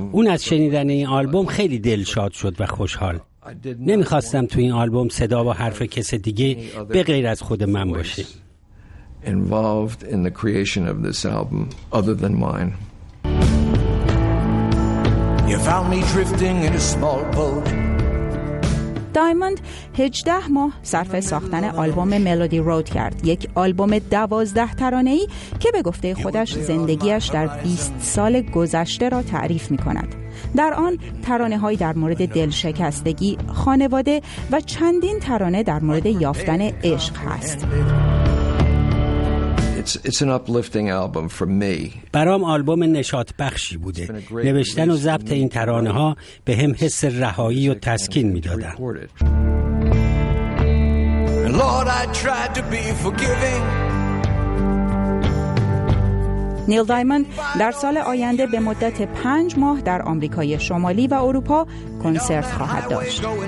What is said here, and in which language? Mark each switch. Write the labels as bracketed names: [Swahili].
[Persian] اون از شنیدن این آلبوم خیلی دلشاد شد و خوشحال. نمیخواستم تو این آلبوم صدا و حرف کس دیگه به غیر از خود من باشه. [English] Involved in the creation of this album other than mine. You found me drifting in a small boat. [Persian] دایموند 18 ماه صرف ساختن آلبوم ملودی رود کرد، یک آلبوم 12 ترانه‌ای که به گفته خودش زندگیش در 20 سال گذشته را تعریف می‌کند. در آن ترانه‌هایی در مورد دلشکستگی، خانواده و چندین ترانه در مورد یافتن عشق هست. [English] It's an uplifting album for me. [Persian] برام آلبوم نشاط بخشی بوده. نوشتن و ضبط این ترانه ها به هم حس رهایی و تسکین میدادن. [English] Lord, I tried to be forgiving. [Persian] نیل دایموند در سال آینده به مدت 5 ماه در آمریکای شمالی و اروپا کنسرت خواهد داشت.